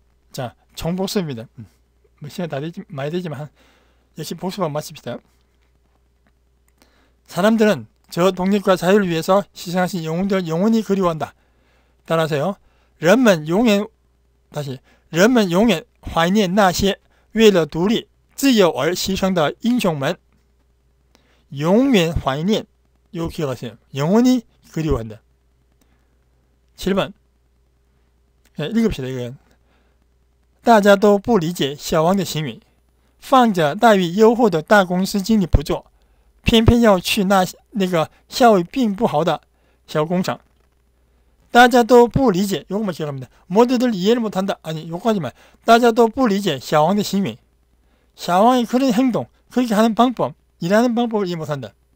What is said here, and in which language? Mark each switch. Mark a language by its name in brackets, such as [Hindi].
[Korean] 자 정복습입니다. 시간 다 되지 많이 되지만 역시 복습만 마칩시다. 사람들은 저 독립과 자유를 위해서 희생하신 영웅들을 영원히 그리워한다. 따라하세요. [Chinese] 人们永远 怀念 那些 为了 独立 自由 而 희생的 英雄们 永远 怀念 [Korean] 요 기억하세요. 영원히 그리워한다. 7번 읽읍시다. 이건 [Chinese] 大家都不理解小王的行为放着待遇优厚的大公司经理不做 偏偏要去那个效益并不好的小工厂，大家都不理解。 [Korean] 요것만 기억합니다. 모두들 이해를 못한다. 아니, 요것까지만. [Chinese] 大家都不理解小王的行为。 [Korean] 小王의 그런 행동, 그렇게 하는 방법, 일하는 방법을 이해 못한다.